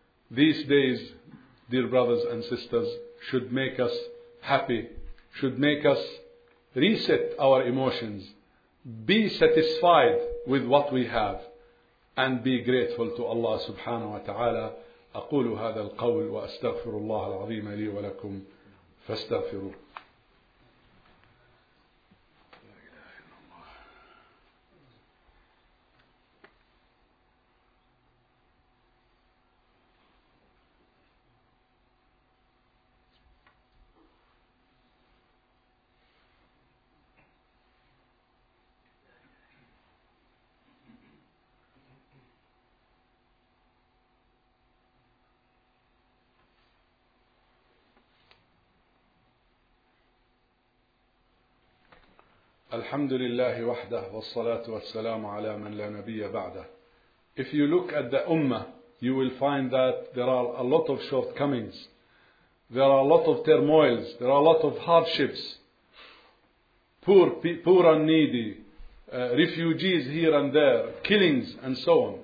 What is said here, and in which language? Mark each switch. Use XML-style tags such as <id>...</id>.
<en>These days, dear brothers and sisters, should make us happy, should make us reset our emotions, be satisfied with what we have, and be grateful to Allah subhanahu wa ta'ala.</en> <ar>أقول هذا القول وأستغفر الله العظيم لي ولكم فاستغفروه. الحمد لله وحده والصلاة والسلام على من لا نبي بعده.</ar> <en>If you look at the ummah, you will find that there are a lot of shortcomings, there are a lot of turmoils, there are a lot of hardships, poor and needy, refugees here and there, killings and so on.</en>